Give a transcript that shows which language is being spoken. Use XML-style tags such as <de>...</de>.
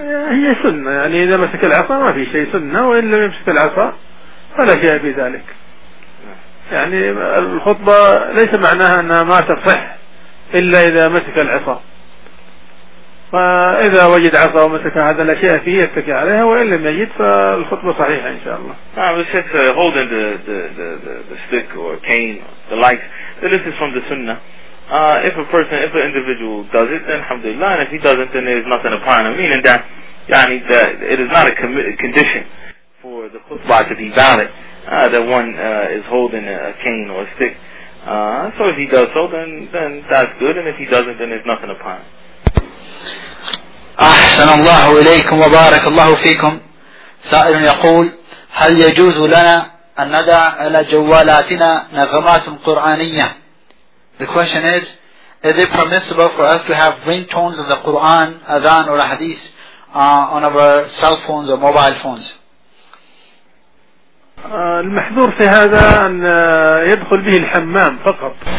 <ar>هي سنة، يعني إذا مسك العصا ما في شيء سنة، وإن لم يمسك العصا فلا شيء بذلك. يعني الخطبة ليس معناها أنها ما تصح إلا إذا مسك العصا، فإذا وجد عصا ومسك هذا الأشياء فيه يتكي عليها، وإن لم يجد فالخطبة صحيحة إن شاء الله. نعم، الشيخ</ar> <en>holding the stick or cane the likes, this is from the sunnah. If a person, if an individual does it, then alhamdulillah, and if he doesn't, then there is nothing upon him, meaning that, yani, that it is not a condition for the khutbah to be valid that one is holding a cane or a stick. So if he does so, then that's good, and if he doesn't, then there's nothing upon him.</en> <ar>أحسن الله إليكم وبارك الله فيكم. سائل يقول: هل يجوز لنا أن ندع على جوالاتنا نغمات قرآنية؟</ar> <en>The question is it permissible for us to have ringtones of the Quran, Adhan or Hadith on our cell phones or mobile phones?</en> <ar>المحظور في هذا أن يدخل به الحمام فقط.</ar>